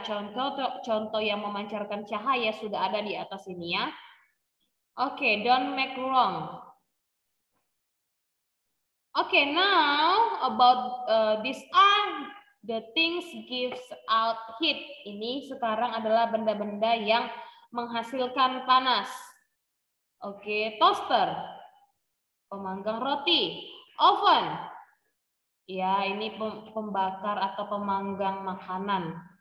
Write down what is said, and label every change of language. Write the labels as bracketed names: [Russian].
[Indonesian] Contoh-contoh yang memancarkan cahaya sudah ada di atas ini ya. [English] Okay, don't make wrong. Okay, now about these are the things gives out heat. [Indonesian] Ini sekarang adalah benda-benda yang menghasilkan panas. [English] Okay, toaster, [Indonesian] pemanggang roti, oven. Ya, ini pembakar atau pemanggang makanan.